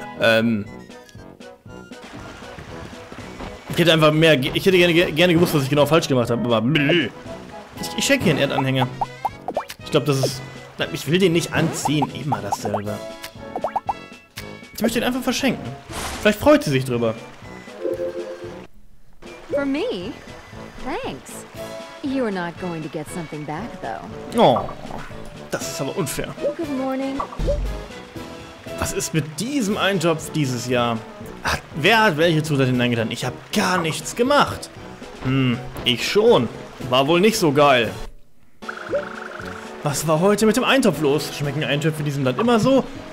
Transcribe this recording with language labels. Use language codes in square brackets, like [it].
[de] Ich hätte gerne gewusst, was ich genau falsch gemacht habe, aber ich schenke hier einen Erdanhänger. Ich glaube, das ist... Ich will den nicht anziehen. Immer dasselbe. Ich möchte ihn einfach verschenken. Vielleicht freut sie sich drüber. Für mich? [en] Thanks. You're not going to get something back, though. [de] Oh, das ist aber unfair. [en] Good morning. [de] Was ist mit diesem Eintopf dieses Jahr? Wer hat welche Zutaten hineingetan? Ich habe gar nichts gemacht. Ich schon. War wohl nicht so geil. Was war heute mit dem Eintopf los? Schmecken Eintöpfe in diesem Land immer so?